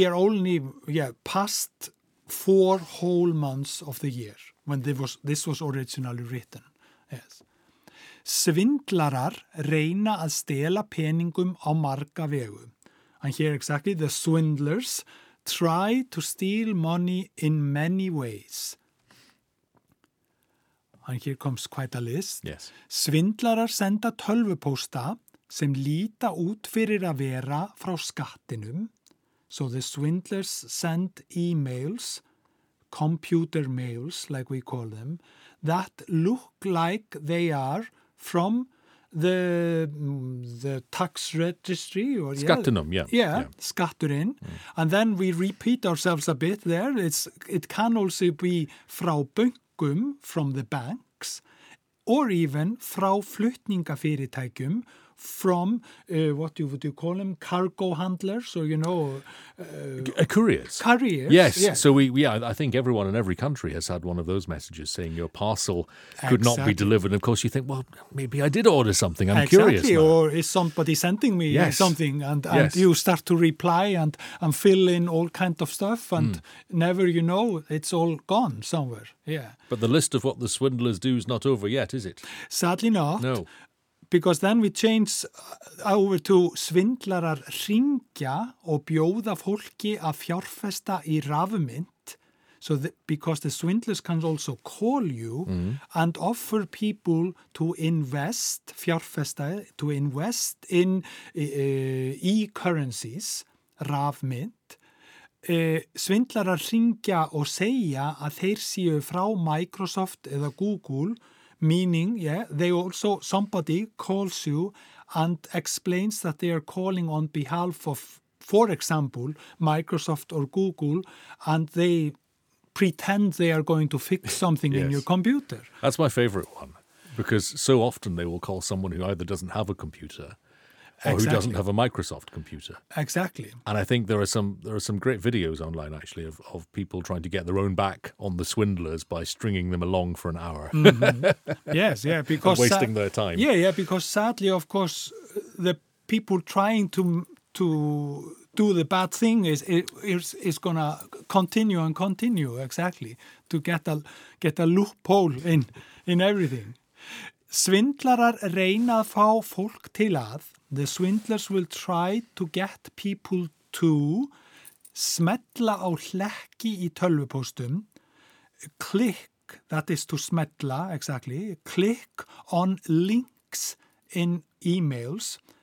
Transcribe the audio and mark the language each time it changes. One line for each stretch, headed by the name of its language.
English: We are only past 4 whole months of the year when this was originally written. Yes.
Icelandic: Svindlarar reyna að stela peningum á marga vegu.
English: And here exactly, the swindlers try to steal money in many ways. And here comes quite a list. Yes.
Icelandic: Svindlarar senda tölvupósta sem líta út fyrir að vera frá skattinum.
English: So the swindlers send emails, computer mails, like we call them, that look like they are from the tax registry or
Icelandic: skattinum, yeah. Skatturinn. Mm.
English: And then we repeat ourselves a bit there. It can also be frá bönkum, from the banks, or even frá flutningafyrirtækjum, from what you would call them cargo handlers, or couriers. Yes. So I think everyone in every country has had one of those messages saying your parcel could not be delivered. And of course, you think, well, maybe I did order something. I'm curious. Exactly. Or is somebody sending me something? And you start to reply and fill in all kind of stuff, and never, you know, it's all gone somewhere. Yeah. But the list of what the swindlers do is not over yet, is it? Sadly not. No.
Icelandic: Because then we change over to svindlarar hringja og bjóða fólki að fjárfesta í rafmynt.
English: So because the swindlers can also call you and offer people to invest, fjárfesta, to invest in e-currencies, rafmynt.
Icelandic: Svindlarar hringja og segja að þeir séu frá Microsoft eða Google.
English: Meaning, somebody calls you and explains that they are calling on behalf of, for example, Microsoft or Google, and they pretend they are going to fix something in your computer. That's my favorite one, because so often they will call someone who either doesn't have a computer or who doesn't have a Microsoft computer. Exactly. And I think there are some great videos online, actually, of people trying to get their own back on the swindlers by stringing them along for an hour. Mm-hmm. Yes, yeah, because... and wasting their time. Yeah, because sadly, of course, the people trying to do the bad thing is going to continue and continue, exactly, to get a loophole in everything.
Icelandic: Svindlarar reyna að fá fólk til að...
English: The swindlers will try to get people to smetla á hlekki í tölvupóstum, click, that is to smetla, exactly, click on links in emails.